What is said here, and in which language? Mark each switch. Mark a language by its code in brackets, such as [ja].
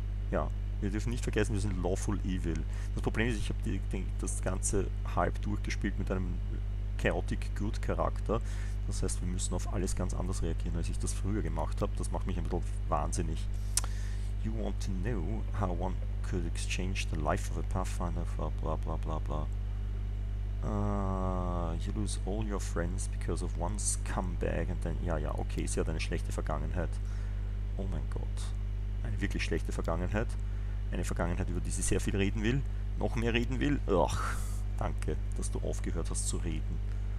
[de] Ja, wir dürfen nicht vergessen, wir sind lawful evil. Das Problem ist, ich habe das Ganze halb durchgespielt mit einem chaotic good Charakter. Das heißt, wir müssen auf alles ganz anders reagieren, als ich das früher gemacht habe. Das macht mich ein bisschen wahnsinnig. [en] You want to know how one could exchange the life of a Pathfinder for blah blah blah blah. You lose all your friends because of one scumbag and then... [de] Ja, okay, sie hat eine schlechte Vergangenheit. Oh mein Gott. Eine wirklich schlechte Vergangenheit. eine Vergangenheit, über die sie sehr viel reden will, noch mehr reden will. Ach, danke, dass du aufgehört hast zu reden.